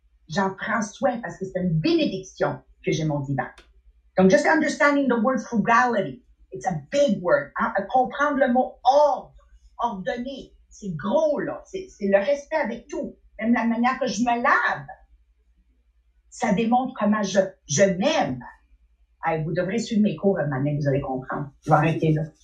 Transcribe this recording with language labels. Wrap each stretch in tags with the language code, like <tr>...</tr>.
<fr>J'en prends soin parce que c'est une bénédiction que j'ai mon divan.</fr> <en>Donc, just understanding the word frugality, it's a big word. Hein?</en> <fr>Comprendre le mot ordre, ordonner, c'est gros, là. C'est le respect avec tout. Même la manière que je me lave, ça démontre comment je m'aime. Hey, vous devrez suivre mes cours, maintenant, vous allez comprendre. Je vais arrêter là.</fr>